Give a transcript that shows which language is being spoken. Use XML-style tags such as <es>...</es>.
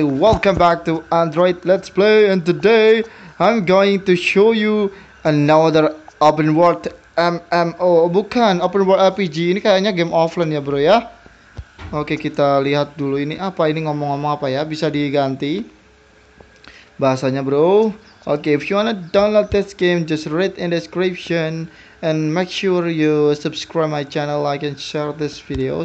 <en>Welcome back to Android Let's Play, and today I'm going to show you another open world MMO.</en> <id>Bukan open world RPG, ini kayaknya game offline ya bro ya. Oke, kita lihat dulu ini apa, ini ngomong-ngomong apa ya, bisa diganti bahasanya bro.</id> <en>Oke, if you wanna download this game, just read in description. And make sure you subscribe my channel, like and share this video.</en>